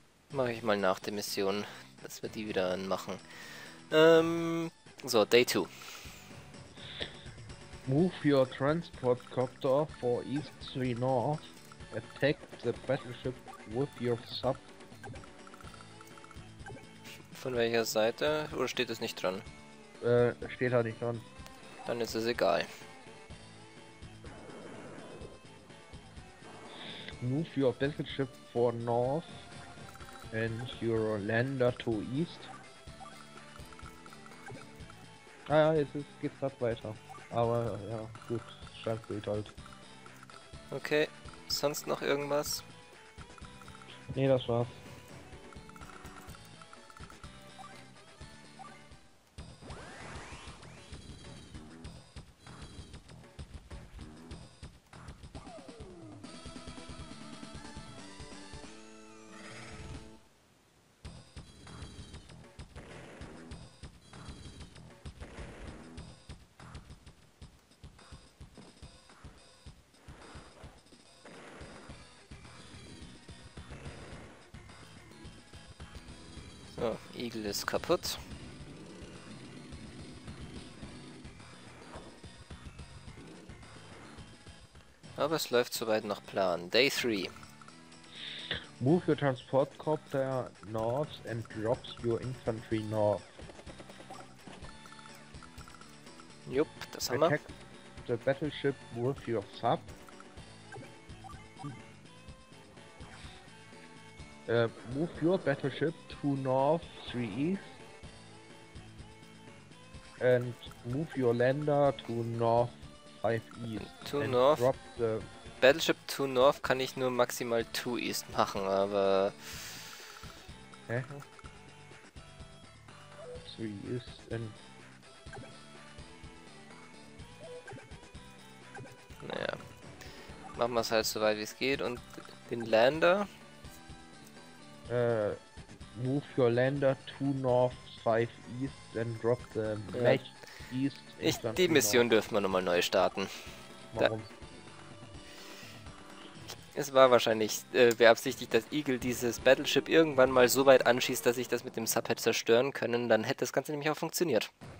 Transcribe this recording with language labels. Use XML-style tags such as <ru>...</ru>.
<de>Mache ich mal nach der Mission, dass wir die wieder anmachen.</de> <en>So, Day 2. Move your transport copter for east 3 north. Attack the battleship with your sub.</en> <de>Von welcher Seite? Oder steht es nicht dran? Steht da nicht dran. Dann ist es egal.</de> <en>Move your battleship for north and your lander to east.</en> <de>Ah ja, jetzt ist, geht's grad weiter. Aber ja, gut, scheint gut halt. Okay, sonst noch irgendwas? Nee, das war's. Oh, Igel ist kaputt. Aber es läuft soweit nach Plan.</de> <en>Day 3. Move your transport copter north and drop your infantry north.</en> <de>Jupp, das haben wir.</de> <en>Attack the battleship with your sub. Move your battleship to north 3 east and move your lander to north 5 east. To north, drop the battleship to north</en> <de>kann ich nur maximal 2 east machen, aber... Hä?</de> <en>3 east and...</en> <de>Naja. Machen wir es halt so weit wie es geht und den Lander... Move your lander to north 5 east and drop the mech east. Ich, die Mission north. Dürfen wir nochmal neu starten. Warum? Es war wahrscheinlich beabsichtigt, dass Eagle dieses Battleship irgendwann mal so weit anschießt, dass ich das mit dem Sub hätte zerstören können, dann hätte das Ganze nämlich auch funktioniert.</de>